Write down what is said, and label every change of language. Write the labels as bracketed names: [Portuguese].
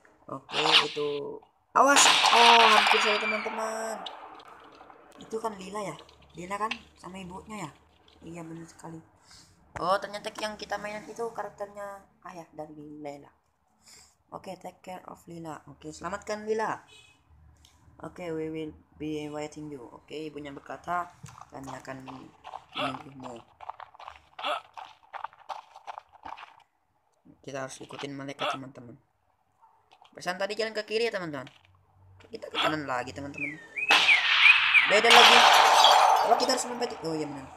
[Indonesian] Oke, itu. Awas. Hampir saja teman-teman. Itu kan Lila ya? Lila kan sama ibunya ya? Iya, benar sekali. Ternyata yang kita mainin itu karakternya ayah dari Lila. [English] Oke, take care of Lila. [Indonesian] Oke, selamatkan Lila. [English] Oke, we will be waiting you. [Indonesian] Oke, ibunya berkata kami akan menunggumu. Kita harus ikutin malaikat teman-teman. Pesan tadi jalan ke kiri ya teman-teman. Kita ke kanan lagi teman-teman. Beda lagi. Kalau kita harus mempeti. Oh iya benar.